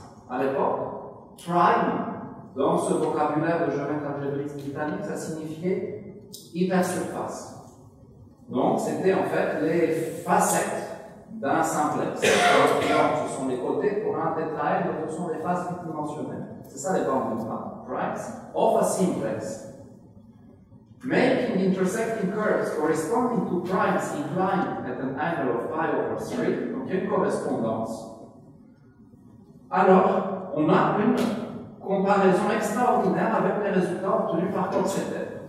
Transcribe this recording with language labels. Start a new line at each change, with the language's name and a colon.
French: À l'époque, tribe, dans ce vocabulaire de géométrie algébrique britannique, ça signifiait hypersurface. Donc, c'était en fait les facettes d'un simplex. Ce sont les côtés pour un tétraèdre, ce sont les faces bidimensionnelles. C'est ça les
English: bounding tribes of a simplex. Making intersecting curves corresponding to primes inclined at an angle of pi over 3.
French: Donc une correspondance. Alors, on a une comparaison extraordinaire avec les résultats obtenus par Coxeter.